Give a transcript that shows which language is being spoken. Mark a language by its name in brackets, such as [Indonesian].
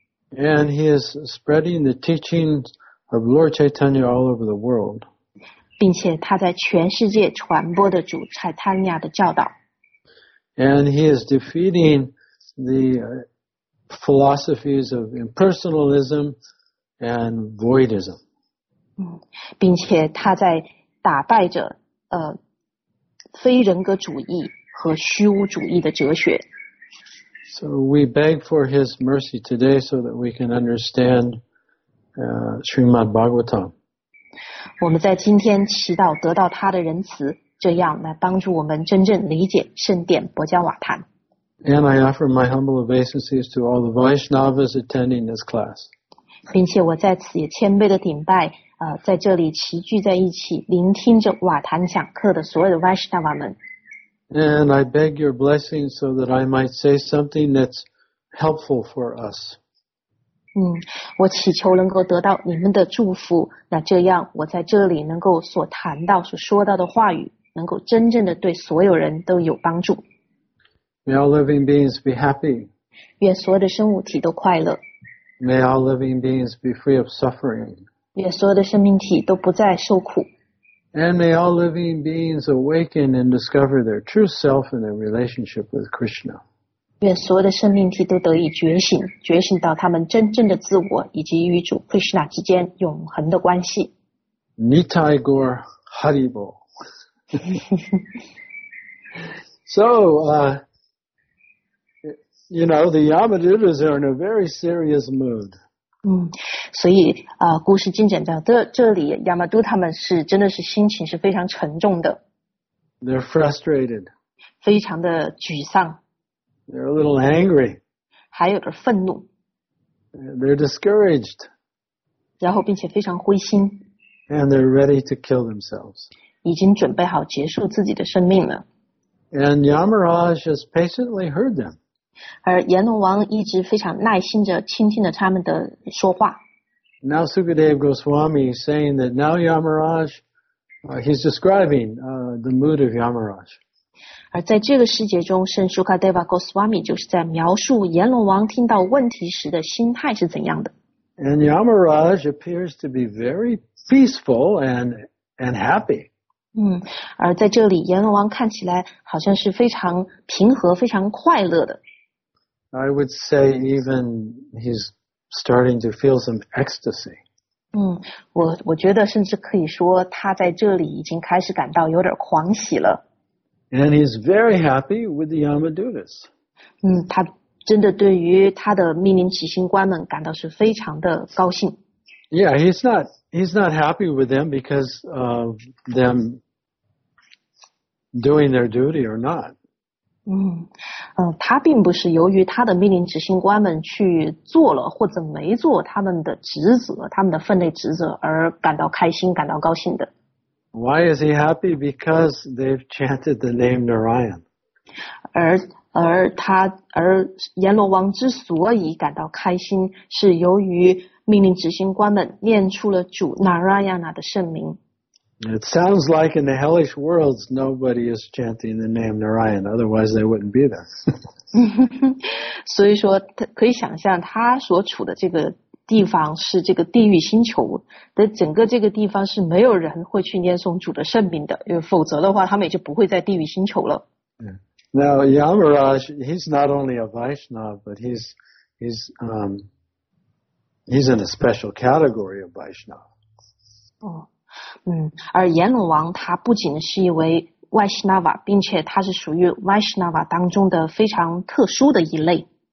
[English] And he is spreading the teachings of Lord Chaitanya all over the world. [Chinese] 并且他在全世界传播的主 Chaitanya 的教导。 [English] And he is defeating the philosophies of impersonalism and voidism. [Chinese] 并且他在打败着非人格主义和虚无主义的哲学。 [English] So we beg for his mercy today so that we can understand Srimad Bhagavatam. [Chinese] 我们在今天祈祷得到他的仁慈，这样来帮助我们真正理解圣典薄伽瓦坛。 [English] And I offer my humble obeisances to all the Vaishnavas attending this class. [Chinese] 并且我在此也谦卑的顶拜，在这里齐聚在一起聆听着瓦坛讲课的所有的 Vaishnava 们。 [English] And I beg your blessing so that I might say something that's helpful for us. [Chinese] 我祈求能够得到你们的祝福，那这样我在这里能够所谈到、所说到的话语，能够真正的对所有人都有帮助。 [English] May all living beings be happy. [Chinese] 愿所有的生物体都快乐。 [English] May all living beings be free of suffering. [Chinese] 愿所有的生命体都不再受苦。 [English] And may all living beings awaken and discover their true self in their relationship with Krishna. [Chinese] 愿所有的生命体都得以觉醒，觉醒到他们真正的自我以及与主 Krishna 之间永恒的关系。 [Bangla] Nitai Gaur Haribo. [English] So, you know, the Yamadutas are in a very serious mood. [Chinese] 所以故事进展到这里，亚麻都他们是真的是心情是非常沉重的。 [English] They're frustrated. [Chinese] 非常的沮丧。 [English] They're a little angry. [Chinese] 还有点愤怒。 [English] They're discouraged. [Chinese] 然后并且非常灰心。 [English] And they're ready to kill themselves. [Chinese] 已经准备好结束自己的生命了。 [English] And Yamaraj has patiently heard them. [Chinese] 而阎罗王一直非常耐心地倾听着他们的说话。 [English] Now Sukadeva Goswami is saying that now Yamaraj, he's describing the mood of Yamaraj. [Chinese] 而在这个世界中，圣 Sukadeva Goswami 就是在描述阎罗王听到问题时的心态是怎样的。 [English] And Yamaraj appears to be very peaceful and happy. [Chinese] 而在这里，阎罗王看起来好像是非常平和、非常快乐的。 [English] I would say even he's starting to feel some ecstasy. [Chinese] 我觉得甚至可以说他在这里已经开始感到有点狂喜了。 [English] And he's very happy with the Yamadutas. [Chinese] 他真的对于他的命令起行官们感到是非常的高兴。 [English] Yeah, he's not happy with them because of them doing their duty or not. [Chinese] 他并不是由于他的命令执行官们去做了或者没做他们的职责，他们的分内职责而感到开心、感到高兴的。 [English] Why is he happy? Because they've chanted the name Narayan. [Chinese] 而阎罗王之所以感到开心，是由于命令执行官们念出了主 Narayana 的圣名。 [English] It sounds like in the hellish worlds, nobody is chanting the name Narayan, otherwise they wouldn't be there. [Chinese] 所以说可以想象他所处的这个地方是这个地狱星球的整个这个地方是没有人会去念诵主的圣名的，因为否则的话他们也就不会在地狱星球了。 [English] Yeah. Now, Yamaraj, he's not only a Vaishnava, but he's in a special category of Vaishnava. [Chinese] 而阎罗王他不仅是一位 Vaishnava， 并且他是属于 Vaishnava 当中的非常特殊的一类。